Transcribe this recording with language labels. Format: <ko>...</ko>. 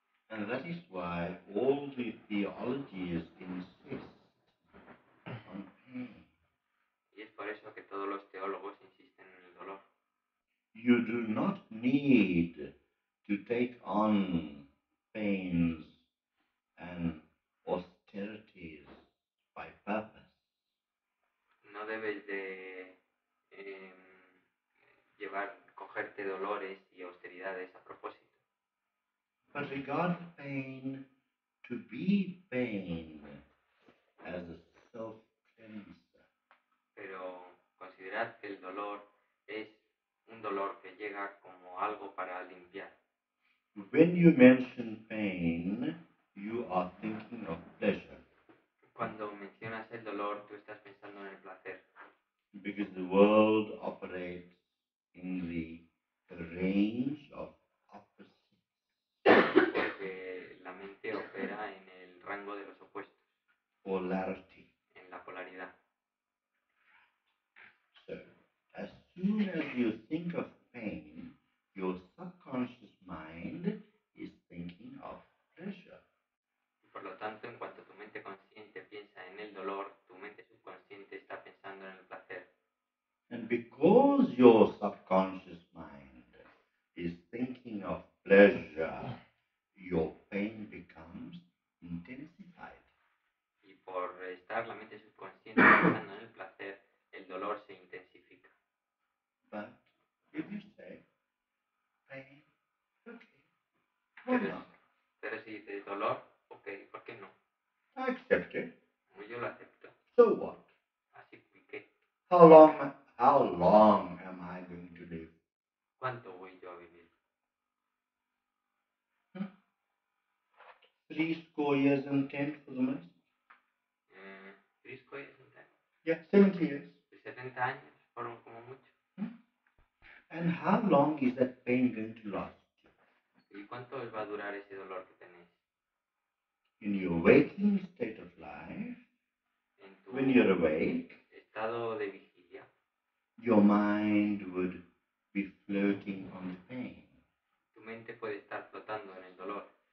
<en>And that is why all the theologies insist on pain.</en> <es>Y es por eso que todos los teólogos insisten en el dolor.</es> <en>You do not need to take on pains and austerities by purpose.</en> <es>No debes de llevar, cogerte dolores y austeridades a propósito.</es> <en>But regard pain to be pain as a self-cleanser.</en> <es>Pero considerad que el dolor es un dolor que llega como algo para limpiar.</es> <en>When you mention pain, you are thinking of pleasure.</en> <es>Cuando mencionas el dolor, tú estás pensando en el placer.</es> <en>Because the world operates in the range of opposites.</en> <es>Porque la mente opera en el rango de los opuestos.</es> <en>Polarity.</en> <es>En la polaridad.</es> <en>As soon as you think of pain, your subconscious mind is thinking of pleasure.</en> <es>Por lo tanto, en cuanto tu mente consciente piensa en el dolor, tu mente subconsciente está pensando en el placer.</es> <en>And because your subconscious mind is thinking of pleasure, your pain becomes intensified.</en> <es>Y por estar la mente subconsciente pensando en el placer, el dolor se intensifica.</es> <en>But if you say pain, okay,</en> <es>pero si dices dolor, okay, ¿por qué no?</es> <en>I accept it.</en> <es>Pues yo lo acepto.</es> <en>So what?</en> <es>Así que.</es> <en>How long am I going to live?</en> <es>¿Cuánto voy yo a vivir?</es> <en>70 years and 10 for the most. 70 years and 10. Yeah, 70 years.</en> <es>70 años fueron como mucho.</es> <en>And how long is that pain going to last?</en> <es>¿Y cuánto va a durar ese dolor que tenéis?</es> <en>In your waking state of life,</en> <es>en tu</es> <en>when you're awake,</en> <es>estado de vigilia,</es> <en>your mind would be floating on the pain.</en> <es>Tu mente puede estar flotando en el dolor.</es>